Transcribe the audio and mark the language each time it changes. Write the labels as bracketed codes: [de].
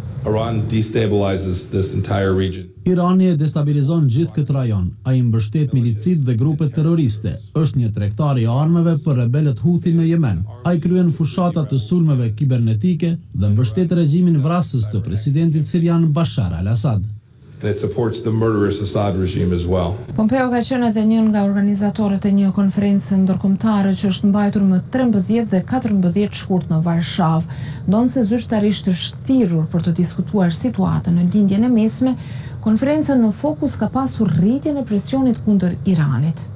[en] Iran destabilizes this entire region. [sq] Irani e destabilizon gjithë këtë rajon. Ai mbështet milicitë dhe grupet terroriste. Është një tregtar i armëve për rebelët Huthi në Yemen. Ai kryen fushata të sulmeve kibernetike dhe mbështet regjimin vrasës të presidentit sirian Bashar al-Assad. [en] That supports the murderous Assad regime as well. [sq] Pompeo ka qenë edhe një nga organizatorët e një konference ndërkombëtare që është mbajtur më 13 dhe 14 shkurt në Varshavë, ndonse zyrtarisht të shtirur për të diskutuar situatën në Lindjen e Mesme. Konferenca në fokus ka pasur rritjen e presionit kundër Iranit.